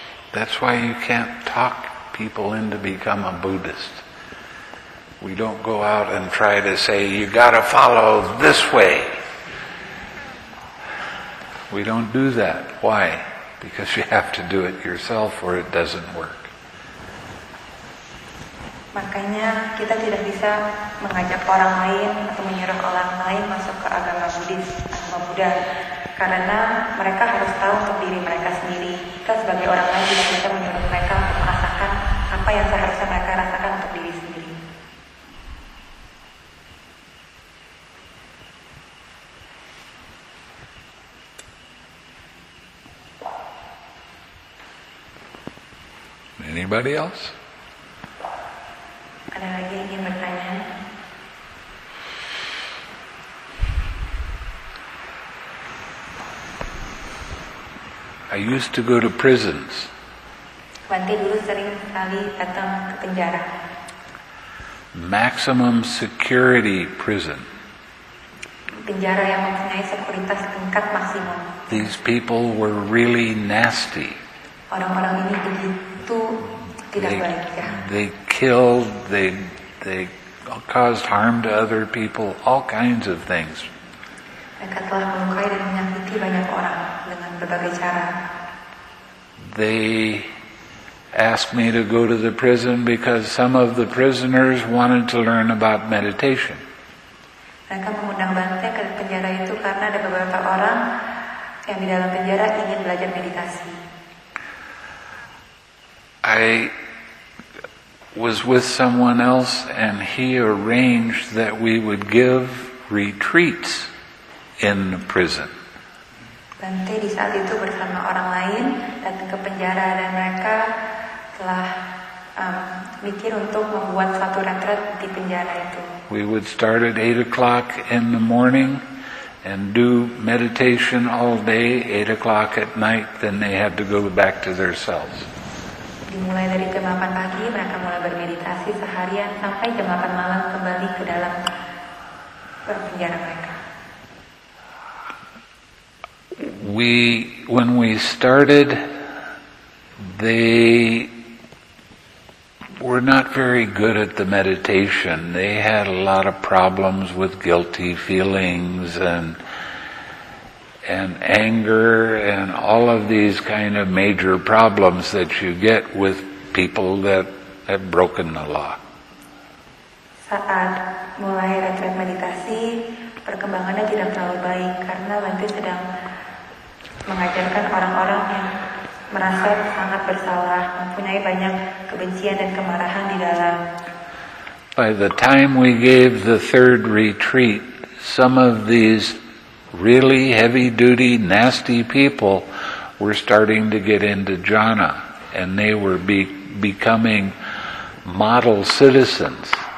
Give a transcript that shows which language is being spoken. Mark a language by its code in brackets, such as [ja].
[en] That's why you can't talk people into become a Buddhist. We don't go out and try to say, you gotta follow this way. We don't do that. Why? Because you have to do it yourself or it doesn't work. [id] Makanya kita tidak bisa mengajak orang lain atau menyuruh orang lain masuk ke agama Buddhis atau Buddha. Karena mereka harus tahu untuk diri mereka sendiri. Kita sebagai orang lain tidak bisa menyuruh mereka untuk merasakan apa yang seharusnya mereka rasakan untuk diri sendiri. [en] Anybody else? [id] Ada lagi yang ingin bertanya? [en] I used to go to prisons. [id] Kuanti dulu sering sekali datang ke penjara. [en] Maximum security prison. [id] Penjara yang mempunyai sekuritas tingkat maksimum. [en] These people were really nasty. [id] Orang-orang ini begitu tidak baik, ya. [en] They killed, they caused harm to other people, all kinds of things. [id] Mereka telah melukai dan menyakiti banyak orang dengan berbagai cara. [en] They asked me to go to the prison because some of the prisoners wanted to learn about meditation. [id] Mereka mengundang saya ke penjara itu karena ada beberapa orang yang di dalam penjara ingin belajar meditasi. [en] I was with someone else and he arranged that we would give retreats in the prison. [id] Bante di saat itu bersama orang lain datang ke penjara dan mereka telah mikir untuk membuat satu retreat di penjara itu. [en] We would start at 8 o'clock in the morning and do meditation all day. 8 o'clock at night, then they had to go back to their cells. [id] Dimulai dari jam 8 pagi, mereka mulai bermeditasi seharian sampai jam 8 malam kembali ke dalam penjara mereka. [en] When we started, they were not very good at the meditation. They had a lot of problems with guilty feelings and anger and all of these kind of major problems that you get with people that have broken the law. [id] Saat mulai retret meditasi, perkembangannya tidak terlalu baik karena Bante sedang mengajarkan orang-orang yang merasa sangat bersalah, mempunyai banyak kebencian dan kemarahan di dalam. [en] By the time we gave the third retreat, some of these really heavy-duty, nasty people were starting to get into jhana, and they were becoming model citizens.